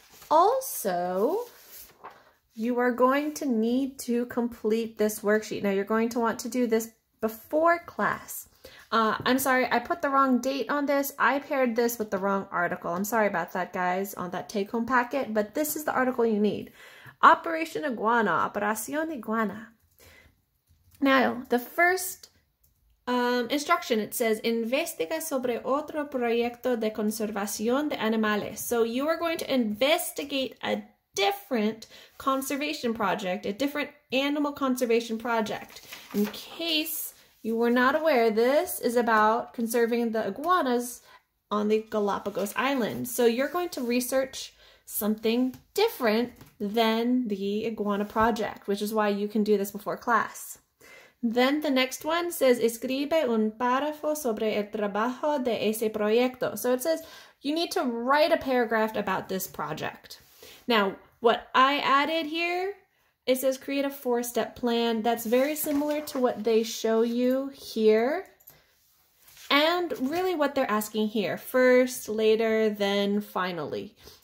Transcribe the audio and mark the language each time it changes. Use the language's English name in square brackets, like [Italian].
[English] Also, you are going to need to complete this worksheet. Now, you're going to want to do this before class. I'm sorry, I put the wrong date on this. I paired this with the wrong article. I'm sorry about that, guys, on that take-home packet, but this is the article you need. Operation Iguana, Operacion Iguana. Now, the first instruction, it says, [Spanish] investiga sobre otro proyecto de conservación de animales. [English] So you are going to investigate a different conservation project, a different animal conservation project. In case you were not aware, this is about conserving the iguanas on the Galapagos Islands. So you're going to research something different than the iguana project, which is why you can do this before class. Then the next one says, [Spanish] escribe un párrafo sobre el trabajo de ese proyecto. [English] So it says you need to write a paragraph about this project. Now, what I added here, it says create a four-step plan. That's very similar to what they show you here. And really what they're asking here, first, later, then, finally.